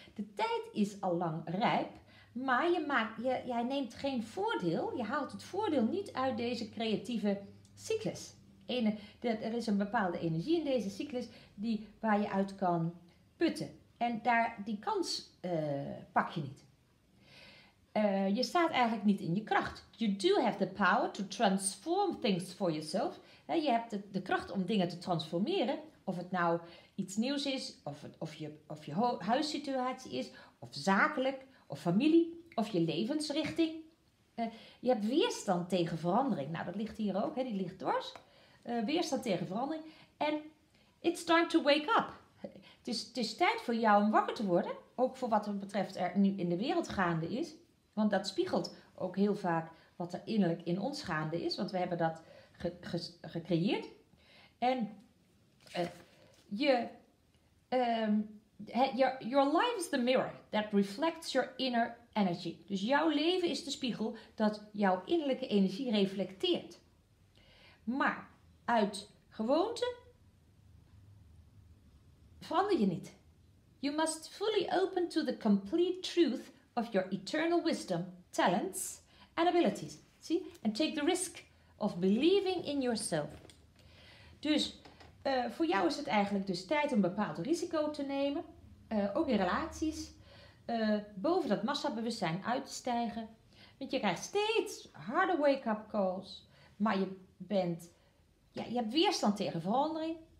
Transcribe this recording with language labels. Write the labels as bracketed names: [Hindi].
[Dutch] De tijd is al lang rijp, maar jij neemt geen voordeel. Je haalt het voordeel niet uit deze creatieve cyclus. Er is een bepaalde energie in deze cyclus waar je uit kan putten. En daar die kans pak je niet. Je staat eigenlijk niet in je kracht. [English] You do have the power to transform things for yourself. [Dutch] Je hebt de kracht om dingen te transformeren. Of het nou iets nieuws is, of je huissituatie is, of zakelijk, of familie, of je levensrichting. Je hebt weerstand tegen verandering. Nou, dat ligt hier ook, hè? Die ligt dwars. Weerstand tegen verandering. En [English] it's time to wake up. [Dutch] Het is tijd voor jou om wakker te worden. Ook voor wat betreft er nu in de wereld gaande is. Want dat spiegelt ook heel vaak wat er innerlijk in ons gaande is. Want we hebben dat gecreëerd. En... [English] your life is the mirror that reflects your inner energy. [Dutch] Dus jouw leven is de spiegel dat jouw innerlijke energie reflecteert. Maar uit gewoonte verander je niet. [English] You must fully open to the complete truth of your eternal wisdom, talents and abilities. See? And take the risk of believing in yourself. [Dutch] Dus... voor jou is het eigenlijk dus tijd om een bepaald risico te nemen. Ook in relaties. Boven dat massabewustzijn uit te stijgen. Want je krijgt steeds harde wake-up calls. Maar je hebt weerstand tegen verandering.